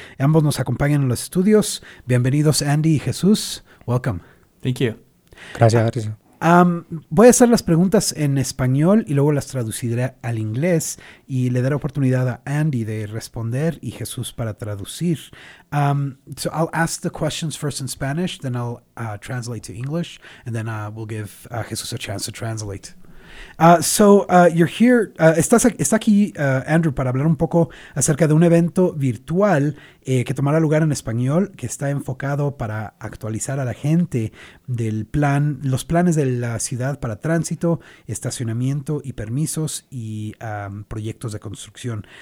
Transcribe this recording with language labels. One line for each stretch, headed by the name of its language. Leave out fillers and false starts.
Spanish: Ambos nos acompañan en los estudios. Bienvenidos, Andy y Jesús.
English: Welcome. Thank you.
Spanish: Gracias, Gracias. Voy a hacer las preguntas en español y luego las traduciré al inglés y le daré oportunidad a Andy de responder y Jesús para traducir.
English: So I'll ask the questions first in Spanish, then I'll translate to English, and then we'll give Jesús a chance to translate. You're here,
Spanish: está aquí Andrew para hablar un poco acerca de un evento virtual que tomará lugar en español, que está enfocado para actualizar a la gente del plan, los planes de la ciudad para tránsito, estacionamiento y permisos y proyectos de construcción.